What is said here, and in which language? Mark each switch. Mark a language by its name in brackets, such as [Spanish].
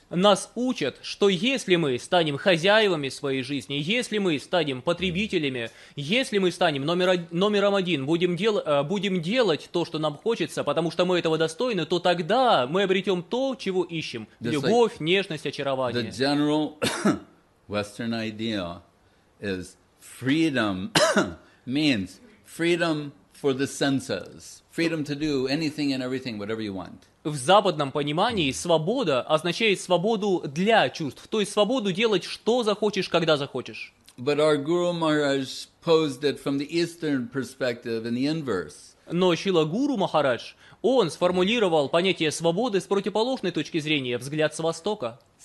[Russian] Нас учат, что если мы станем хозяевами своей жизни, если мы станем потребителями, если мы станем номером один, будем делать то, что нам хочется, потому что мы этого достойны, то тогда мы обретем то, чего ищем. [English] Just [Russian] любовь, [English] like [Russian] нежность, очарование. [English] The general Western idea is freedom means freedom for the senses, freedom to do anything and everything, whatever you want. [Russian] В западном понимании свобода означает свободу для чувств, то есть свободу делать, что захочешь, когда захочешь. [English] But our Guru Maharaj posed it from the Eastern perspective in the inverse. [Russian] Но Шрила Гуру Махарадж, он сформулировал понятие свободы с противоположной точки зрения, взгляд с востока.